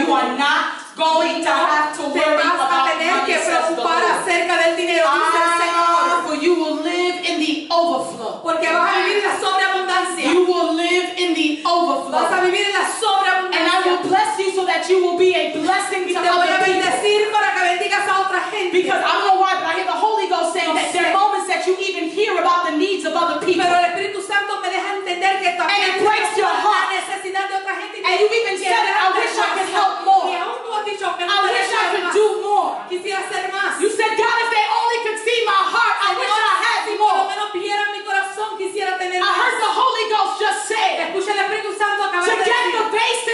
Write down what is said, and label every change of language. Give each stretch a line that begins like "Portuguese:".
English: You are not going to have to worry about money.
Spanish: Que preocupar acerca del dinero.
English: For you will live in the overflow.
Spanish: Porque vas a vivir en la sobreabundancia.
English: You will live in the overflow.
Spanish: Vas a vivir en la sobreabundancia.
English: And I will bless you so that you will be a blessing to other people.
Spanish: Y te voy a bendecir para que bendigas a otra gente.
English: Because I don't know why, but I hear the Holy Ghost saying that there are moments that you even hear about the needs of other people.
Spanish: Pero el Espíritu Santo me deja entender que también.
English: And it breaks your heart.
Spanish: La necesidad de otra gente.
English: And you even said that I wish I could help more. I wish I could do more. You said, God, if they only could see my heart, I wish I had more. I heard the Holy Ghost just say, to get the baby.